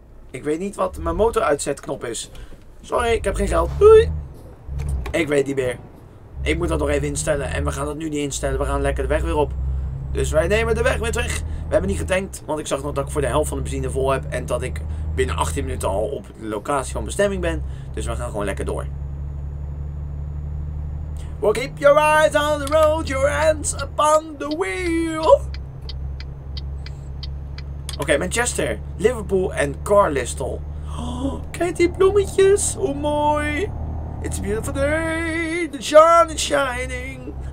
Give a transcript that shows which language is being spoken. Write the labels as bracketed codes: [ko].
[nl] Ik weet niet wat mijn motor uitzetknop is. Sorry, ik heb geen geld. Doei. Ik weet niet meer. Ik moet dat nog even instellen. En we gaan dat nu niet instellen. We gaan lekker de weg weer op. Dus wij nemen de weg weer terug. We hebben niet getankt, want ik zag nog dat ik voor de helft van de benzine vol heb. En dat ik binnen 18 minuten al op de locatie van bestemming ben. Dus we gaan gewoon lekker door. [en] Well, keep your eyes on the road, your hands upon the wheel. [nl] Oké, Manchester, Liverpool en Carlisle. Oh, kijk die bloemetjes, hoe mooi. [en] It's a beautiful day, the sun is shining.